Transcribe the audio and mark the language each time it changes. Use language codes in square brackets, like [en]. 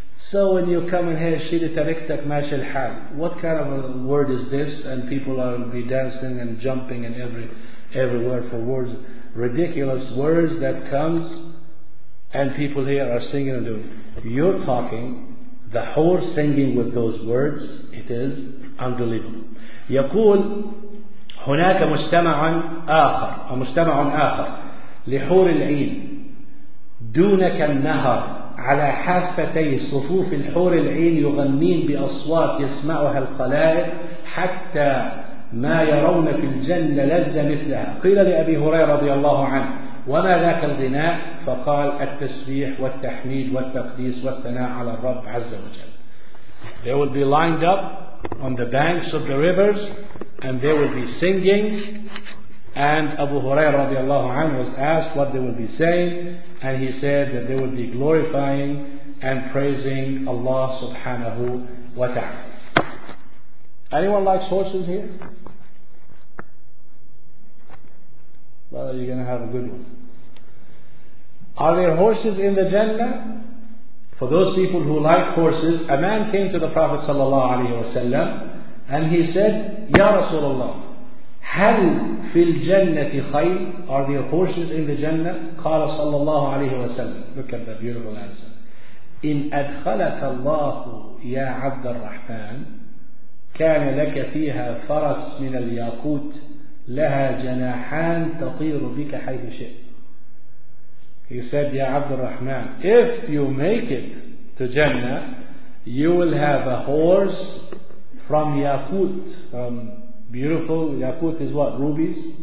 [en] So when you come in here, [ar] shiri tariktak mash al hal. [en] What kind of a word is this? And people are be dancing and jumping and every word for words. Ridiculous words that comes, and people here are singing and doing. You're talking, the whore singing with those words, it is unbelievable. [ar] يقول هناك مجتمع آخر أو مجتمع آخر لحور العين دونك النهر على حافتي صفوف الحور العين يغنين بأصوات يسمعها الخلائق حتى ما يرون في الجنة لذة مثلها. قيل لأبي هريرة رضي الله عنه وما ذاك الغناء؟ فقال التسبيح والتحميد والتقديس والثناء على الرب عز وجل. [en] They will be lined up on the banks of the rivers and they will be singing. And Abu Hurairah radiallahu anhu was asked what they will be saying, and he said that they will be glorifying and praising Allah subhanahu wa ta'ala. Anyone likes horses here? Well, you're going to have a good one. Are there horses in the Jannah? For those people who like horses, a man came to the Prophet sallallahu alayhi wa sallam and he said, Ya Rasulullah, [ar] هل في الجنة خير؟ [en] Are there horses in the Jannah? [ar] قال صلى الله عليه وسلم. [en] Look at that beautiful answer. [ar] إن أدخلك الله يا عبد الرحمن كان لك فيها فرس من الياقوت لها جناحان تطير بك حيث شئت. [en] He said, [ar] يا عبد الرحمن, [en] if you make it to Jannah, you will have a horse from Yakut, from beautiful, Yakut is what, rubies?